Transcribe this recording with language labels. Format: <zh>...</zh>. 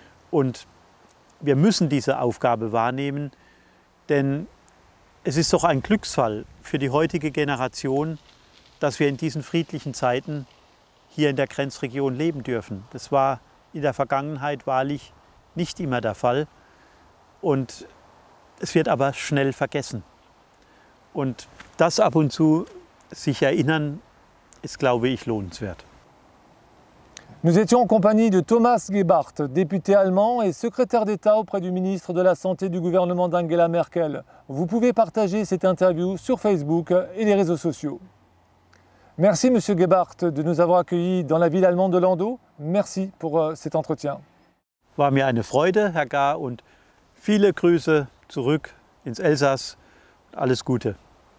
<de>Und wir müssen diese Aufgabe wahrnehmen, denn es ist doch ein Glücksfall für die heutige Generation, dass wir in diesen friedlichen Zeiten hier in der Grenzregion leben dürfen. Das war in der Vergangenheit wahrlich nicht immer der Fall. Und es wird aber schnell vergessen. Und das ab und zu sich erinnern, ist, glaube ich, lohnenswert.</de> <fr>Nous étions en compagnie de Thomas Gebhardt, député allemand et secrétaire d'État auprès du ministre de la Santé du gouvernement d'Angela Merkel. Vous pouvez partager cette interview sur Facebook et les réseaux sociaux. Merci, monsieur Gebhardt, de nous avoir accueillis dans la ville allemande de Landau. Merci pour cet entretien.</fr> <de>War mir eine Freude, Herr Gar, und viele Grüße zurück ins Elsass. Alles Gute.</de>